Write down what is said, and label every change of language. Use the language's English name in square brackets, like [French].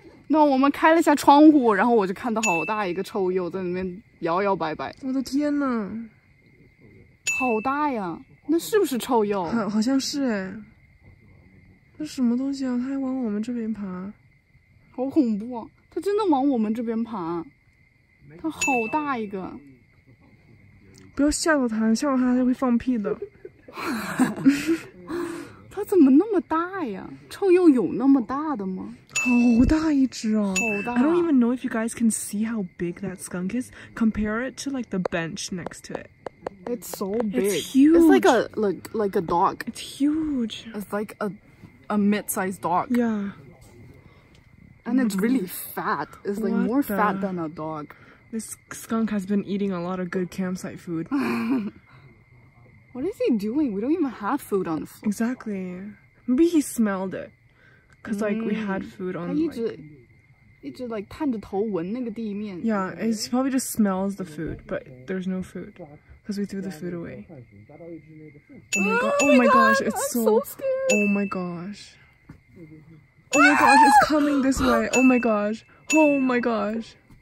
[Chinese] No, 我们开了一下窗户，然后我就看到好大一个臭鼬在里面摇摇摆摆。我的天哪，好大呀！那是不是臭鼬？好像是哎。这什么东西啊？它还往我们这边爬，好恐怖啊！它真的往我们这边爬，它好大一个。不要吓到它，吓到它它会放屁的。它怎么那么大呀？臭鼬有那么大的吗？好大一只哦！ [English] I don't even know if you guys can see how big that skunk is. Compare it to like the bench next to it. It's so big. It's huge. It's like a like a dog. It's huge. It's like a mid-sized dog. Yeah. And it's really fat. It's like more fat than a dog. This skunk has been eating a lot of good campsite food. What is he doing? We don't even have food on the floor. Exactly. Maybe he smelled it. Because, like, we had food on the floor. [Chinese] 一直探着头闻那个地面 [English] Yeah, it probably just smells the food, but there's no food. Because we threw the food away. Oh my gosh, it's so scared. Oh my gosh. Oh my gosh, it's coming this way. Oh my gosh. Oh my gosh.